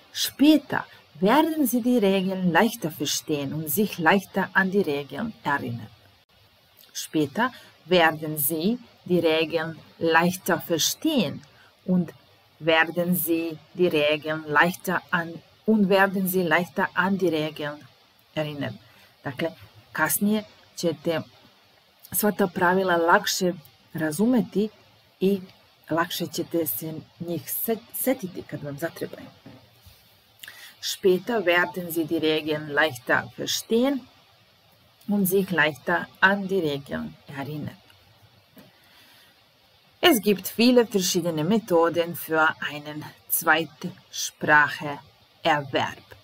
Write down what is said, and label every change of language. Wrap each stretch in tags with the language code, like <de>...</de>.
<de>Später werden Sie die Regeln leichter verstehen und sich leichter an die Regeln erinnern. Später werden Sie die Regeln leichter verstehen und werden Sie die Regeln leichter an und werden Sie leichter an die Regeln erinnern.</de> <sr>Dakle, kasnije ćete sva ta pravila lakše razumeti i lakše ćete se njih setiti kad vam zatrebaju.</sr> <de>Später werden Sie die Regeln leichter verstehen und sich leichter an die Regeln erinnern. Es gibt viele verschiedene Methoden für einen Zweitspracherwerb.</de>